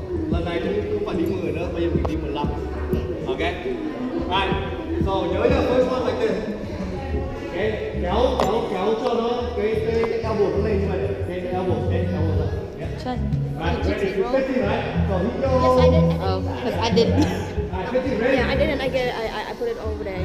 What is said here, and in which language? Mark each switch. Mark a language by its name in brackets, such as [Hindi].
[Vietnamese] Lần này không phải đi 10 nữa, bây giờ mình đi 15. [English] Okay. Alright. So [Vietnamese] nhớ nhá, [English] first one like this. Okay. [Vietnamese] Kéo cho nó cái elbow nó lên như vậy. [English] Okay, elbow. Yeah. Sure. Alright, ready? 15, right? So here you go. Yes, I did. Oh, because I didn't. Alright, 15, ready? Yeah, I did, and I put it over there.